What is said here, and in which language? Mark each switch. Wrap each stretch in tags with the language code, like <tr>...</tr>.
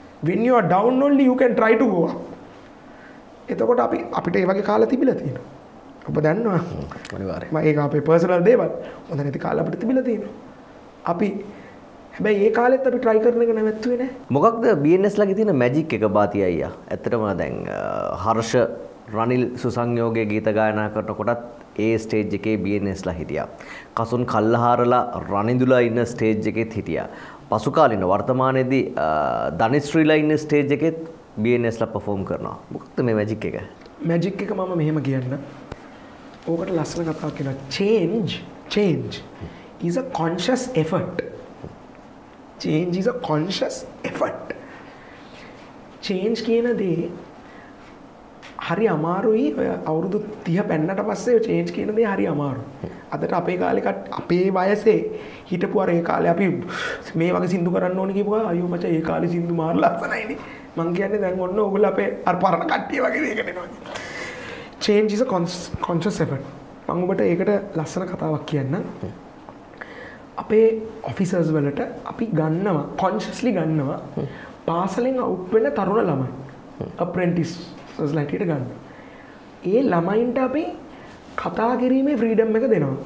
<en>When you are down only you can try to go up.</en> <si>එතකොට අපි අපිට ඒ වගේ කාලා තිබිලා තියෙනවා. ඔබ දන්නවා අනිවාර්යයෙන්. මම ඒක අපේ පර්සනල් දේවල්. හොඳ නැති කාලා අපිට තිබිලා තියෙනවා. අපි හැබැයි ඒ කාලෙත් අපි ට්‍රයි කරන එක නැවතුනේ නෑ. මොකක්ද BNS ලගේ තියෙන මැජික් එක බාති අයියා? ඇත්තටම දැන් හර්ෂ රනිල් සුසංයෝගයේ ගීත ගායනා කරනකොටත් ඒ ස්ටේජ් එකේ BNS ලා හිටියා. කසුන් කල්ලහාරලා රනිදුලා ඉන්න ස්ටේජ් එකෙත් හිටියා. පසු කාලින වර්තමානයේදී ධනිශ්‍රීලා ඉන්න ස්ටේජ් එකෙත් BNS ලා පර්ෆෝම් කරනවා. මොකක්ද මේ මැජික් එක? මැජික් එක මම මෙහෙම කියන්න. ඕකට ලස්සන කතාවක් කියනවා.</si> <en>Change is a conscious effort. Change is a conscious effort.</en> <si>Change කියන දේ හරි අමාරුයි. ඔය අවුරුදු 30 පැන්නට පස්සේ ඔය change කියන දේ හරි අමාරුයි. අදට අපේ කාලේ අපේ වයසේ හිටපු අර ඒ කාලේ අපි මේ වගේ සින්දු කරන්න ඕනේ කියපුවා. අයියෝ මචං ඒ කාලේ සින්දු මාර ලස්සනයිනේ. මං කියන්නේ දැන් ඔන්න ඕගොල්ලෝ අපේ අර පරණ කට්ටිය වගේ දේකට එනවා.</si> <en>Change is a conscious effort.</en> <si>මම ඔබට ඒකට ලස්සන කතාවක් කියන්නම්. අපේ ඔෆිසර්ස් වලට අපි ගන්නවා කොන්ෂස්ලි ගන්නවා පාසලෙන් අවුට් වෙන තරුණ ළමයි අප්‍රෙන්ටිස්ස් ලැටියට ගන්න. ඒ ළමයින්ට අපි කතා කිරීමේ ෆ්‍රීඩම් එක දෙනවා.</si>